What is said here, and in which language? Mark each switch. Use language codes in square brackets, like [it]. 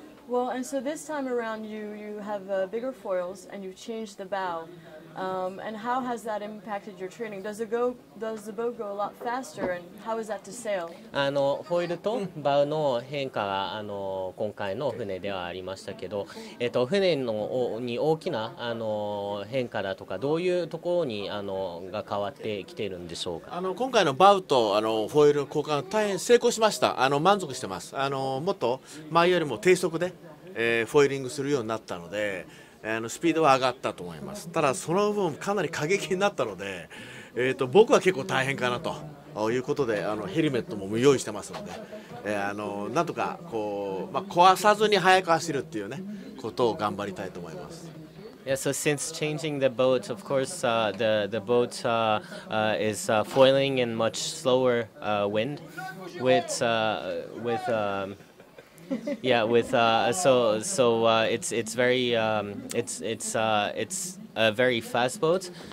[en] Well, and so this time around you have bigger foils and you've changed the bow. And how has that impacted your training? Does the boat go a lot faster, and how is that to sail? [ja] あのフォイルとバウの変化が今回の船ではありましたけど、船のに大きなあの変化だとか、どういうところにが変わってきているんでしょうか。今回のバウとフォイル交換大変成功しました。満足してます。もっと前よりも低速で、フォイリングするようになったので、スピードは上がったと思います。ただその分かなり過激になったので、僕は結構大変かなということで、ヘルメットも用意してますので、なんとかこう、まあ、壊さずに速く走るっていうねことを頑張りたいと思います。 [en] Yeah, so since changing the boat, of course, the boat is foiling in much slower wind it's a very fast boat.